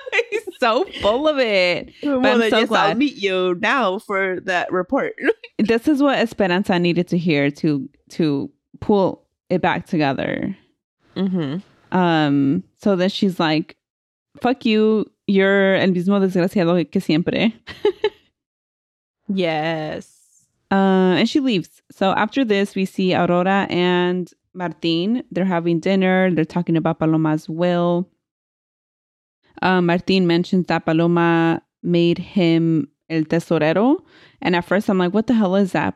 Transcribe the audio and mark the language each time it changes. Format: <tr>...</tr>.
<en>He's so full of it. Well, then, yes, I'll meet you now for that report. This is what Esperanza needed to hear to pull it back together. Mm-hmm. So then she's like, fuck you. You're</en> <es>el mismo desgraciado que siempre.</es> <en>Yes. And she leaves. So after this, we see Aurora and Martin. They're having dinner. They're talking about Paloma's will. Martin mentions that Paloma made him</en> <es>el tesorero.</es> <en>And at first I'm like, what the hell is that?</en>